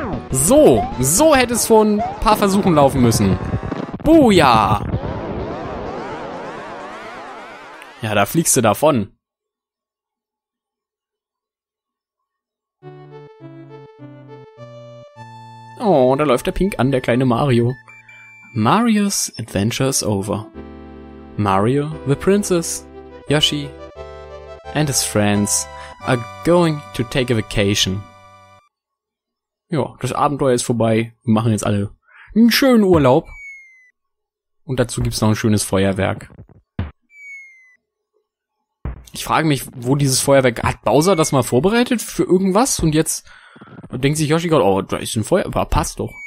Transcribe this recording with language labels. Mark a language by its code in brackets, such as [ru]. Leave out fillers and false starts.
[de] So hätte es vor ein paar Versuchen laufen müssen. Buja! Ja, da fliegst du davon. Oh, da läuft der Pink an, der kleine Mario. [en] Mario's Adventure is over. Mario, the Princess, Yoshi and his friends are going to take a vacation. [de] Ja, das Abenteuer ist vorbei. Wir machen jetzt alle einen schönen Urlaub. Und dazu gibt's noch ein schönes Feuerwerk. Ich frage mich, wo dieses Feuerwerk... Hat Bowser das mal vorbereitet für irgendwas? Und jetzt denkt sich Yoshi gerade, oh, da ist ein Feuerwerk. Passt doch.